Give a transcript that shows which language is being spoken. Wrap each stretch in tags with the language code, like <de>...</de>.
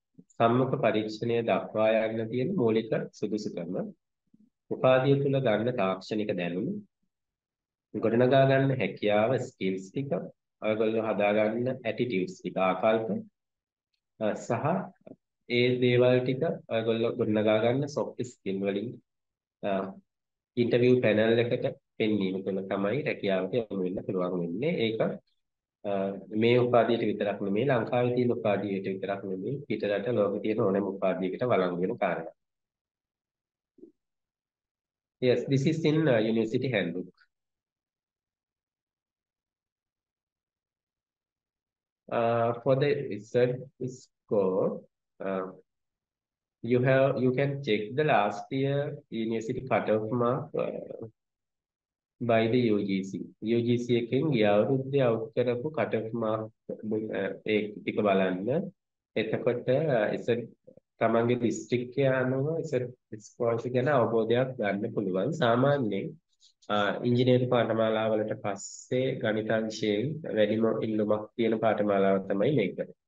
<si>සම්මුඛ පරීක්ෂණය දක්වා යන්න තියෙන මූලික සුදුසුකම උපාධිය තුළ ගන්න තාක්ෂණික දැනුම ගොඩනගා ගන්න හැකියාව ස්කිල්ස් ටික ඔයගොල්ලෝ හදා ගන්න ඇටිටියුඩ්ස් ටික ආකල්ප සහ ඒ දේවල් ටික ඔයගොල්ලෝ ගොඩනගා ගන්න සොෆ්ට් ස්කිල් වලින් ඉන්ටර්විව් පැනල් එකට පෙන්වීම තුළ තමයි රැකියාවට යොමු වෙන්න පුළුවන් වෙන්නේ. ඒක මේ උපාධියට විතරක් නෙමෙයි ලංකාවේ තියෙන උපාධියට විතරක් නෙමෙයි පිටරට ලෝකෙ තියෙන ඕනෑම උපාධියකට වළංගු වෙන කාරණා.</si> <en>Yes, this is in university handbook. For the research score, you can check the last year university cutoff mark by the UGC.</en> <si>UGC එකෙන් ගියවුරුද්දේ අවුට් කරපු cutoff mark එක ටික බලන්න. එතකොට ඉසර් තමන්ගේ district එක අනුව ඉසර් scores ගැන අවබෝධයක් ගන්න පුළුවන්. සාමාන්‍යයෙන් ඉංජිනේරු පාඨමාලාවලට පස්සේ ගණිතංශයෙන් වැඩිම ඉල්ලුමක් තියෙන පාඨමාලාව තමයි මේක.</si>